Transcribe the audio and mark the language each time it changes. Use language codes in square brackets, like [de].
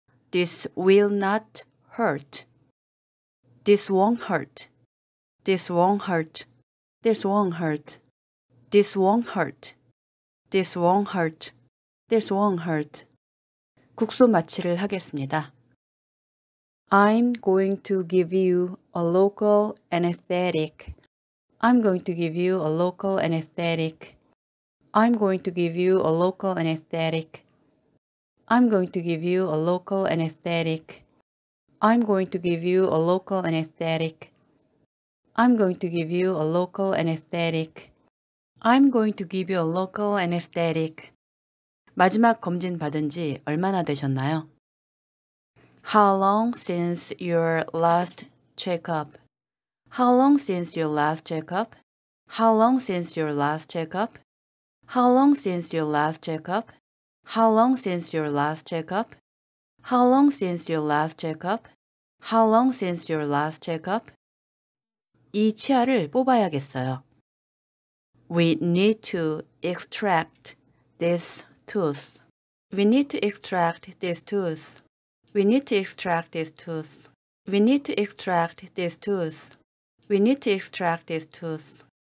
[en] This will not hurt. This won't hurt. This won't hurt. This won't hurt. This won't hurt. This won't hurt. This won't hurt. [ko] 국소 마취를 하겠습니다. [en] I'm going to give you a local anesthetic. I'm going to give you a local anesthetic. I'm going to give you a local anesthetic. I'm going to give you a local anesthetic. I'm going to give you a local anesthetic. I'm going to give you a local anesthetic. I'm going to give you a local anesthetic. [ko] 마지막 검진 받은 지 얼마나 되셨나요? [en] How long since your last checkup? How long since your last checkup? How long since your last checkup? How long since your last checkup? How long since your last checkup? How long since your last checkup? How long since your last checkup? [ko] 이 치아를 뽑아야겠어요. [en] We need to extract this tooth. We need to extract this tooth. We need to extract this tooth. We need to extract this tooth. We need to extract this tooth.